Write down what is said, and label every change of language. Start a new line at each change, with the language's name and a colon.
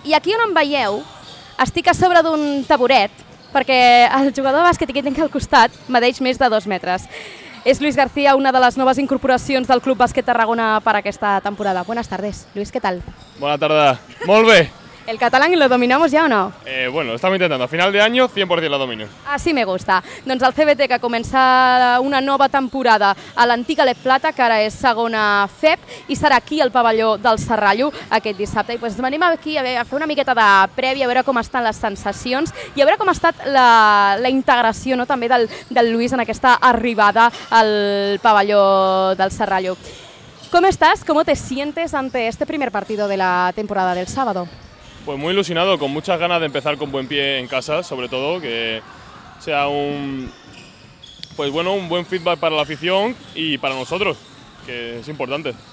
Catalan: I aquí on em veieu, estic a sobre d'un taburet perquè el jugador de bàsquet que tinc al costat medeix més de 2 metres. És Lluís García, una de les noves incorporacions del Club Bàsquet Tarragona per aquesta temporada.
Spanish: Buenas tardes, Lluís,
Catalan: què tal? Bona tarda, molt bé.
Spanish: ¿El catalán lo dominamos ya o no? Bueno, estamos intentando. A final de año, 100% lo domino. Así me gusta.
Catalan: Doncs el CBT, que comença una nova temporada a l'antiga Lep Plata, que ara és segona FEB, i serà aquí al pavelló del Serrallo aquest dissabte. I doncs venim aquí a fer una miqueta de prèvia, a veure com estan les sensacions i a veure com ha estat la integració, no?, també del Lluís en aquesta arribada al pavelló del Serrallo. Com estàs?
Spanish: ¿Cómo te sientes ante este primer partido de la temporada del sábado? Pues muy ilusionado, con muchas ganas de empezar con buen pie en casa, sobre todo, que sea un buen feedback para la afición y para nosotros, que es importante.